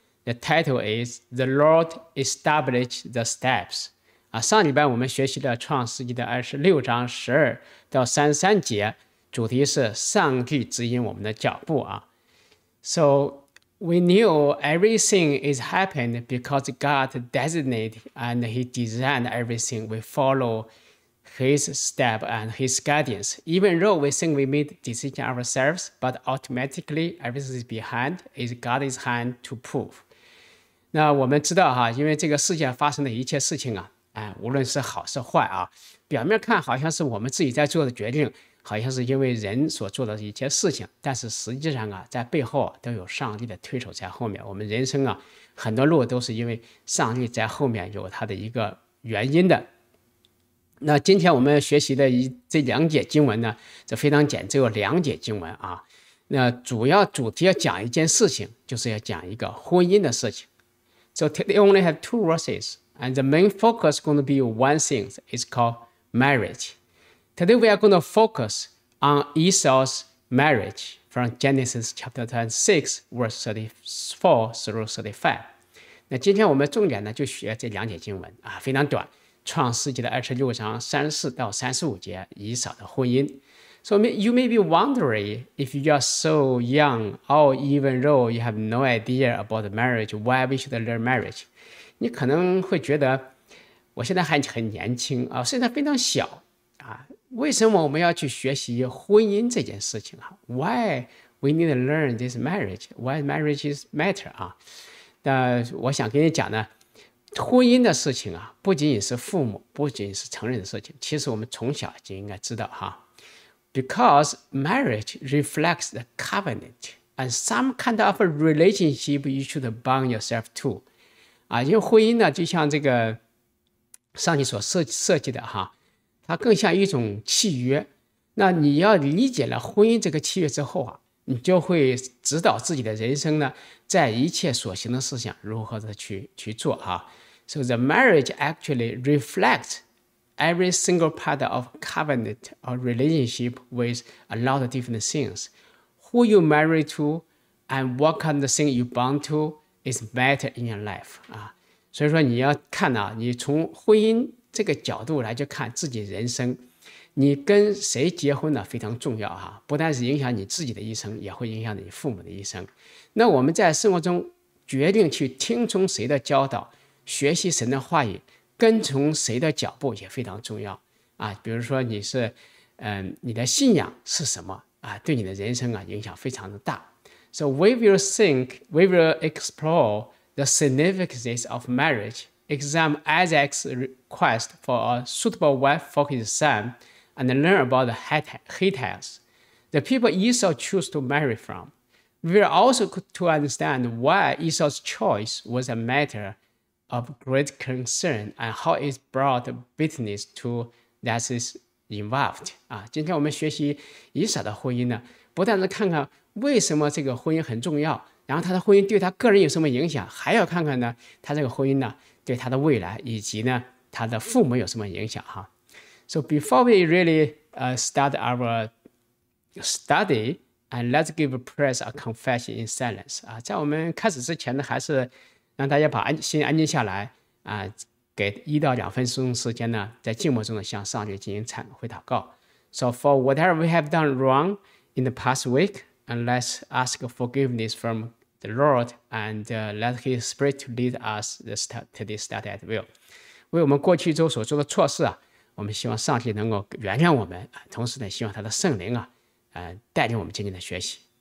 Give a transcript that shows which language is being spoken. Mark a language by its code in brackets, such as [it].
[en] The title is The Lord Established the Steps. [zh] 上礼拜我们学习了创世纪的26章12到33节，主题是上帝指引我们的脚步啊。 [en] So we knew everything is happened because God designated and He designed everything. We follow His step and His guidance. Even though we think we made decisions ourselves, but automatically everything is behind is God's hand to prove. [zh] 那我们知道哈，因为这个世界发生的一切事情啊，哎，无论是好是坏啊，表面看好像是我们自己在做的决定，好像是因为人所做的一些事情，但是实际上啊，在背后都有上帝的推手在后面。我们人生啊，很多路都是因为上帝在后面有他的一个原因的。那今天我们学习的这两节经文呢，这非常简，只有两节经文啊。那主要主题要讲一件事情，就是要讲一个婚姻的事情。 [en] So they only have two verses, and the main focus is going to be one thing. It's called marriage. Today we are going to focus on Esau's marriage from Genesis chapter 26, verse 34 through 35. [zh] 那今天我们重点呢就学这两节经文啊，非常短。创世纪的二十六章三十四到三十五节，以扫的婚姻。 [en] So you may be wondering if you are so young, or even though you have no idea about marriage, why we should learn marriage? [zh] 你可能会觉得我现在还很年轻啊，现在非常小啊，为什么我们要去学习婚姻这件事情啊？ [en] Why we need to learn this marriage? Why marriage is matter? [zh] 啊，那我想跟你讲呢。婚姻的事情啊，不仅仅是父母，不仅是成人的事情，其实我们从小就应该知道哈。 [en] Because marriage reflects the covenant and some kind of a relationship you should bond yourself to. [zh] 啊，因为婚姻呢，就像这个上帝所设计的哈，它更像一种契约。那你要理解了婚姻这个契约之后啊，你就会指导自己的人生呢，在一切所行的事情如何的去做啊。 [en] So the marriage actually reflects every single part of covenant or relationship with a lot of different things. Who you marry to and what kind of thing you bond to is matter in your life. [zh] 啊，所以说你要看啊，你从婚姻这个角度来去看自己人生，你跟谁结婚呢非常重要啊，不但是影响你自己的一生，也会影响你父母的一生。那我们在生活中决定去听从谁的教导，学习神的话语，跟从谁的脚步也非常重要啊。比如说你是你的信仰是什么啊，对你的人生啊影响非常的大。 [en] So we will explore the significance of marriage, examine Isaac's request for a suitable wife for his son,and learn about the Hittites, the people Esau chose to marry from. We are also to understand why Esau's choice was a matter of great concern and how it brought bitterness to that is involved. [zh] 啊，今天我们学习以扫的婚姻呢，不但是看看为什么这个婚姻很重要，然后他的婚姻对他个人有什么影响，还要看看呢，他这个婚姻呢，对他的未来以及呢，他的父母有什么影响，哈。 [en] So before we really start our study, and let's give prayers a confession in silence. [zh] 啊，在我们开始之前呢，还是让大家把心安静下来啊，给一到两分钟时间呢，在静默中的向上帝进行忏悔祷告。 [en] So for whatever we have done wrong in the past week, and let's ask forgiveness from the Lord, and let His Spirit lead us today study at will. [zh] 为我们过去周所做的错事啊。我们希望上帝能够原谅我们，同时呢，希望他的圣灵啊，带领我们今天的学习。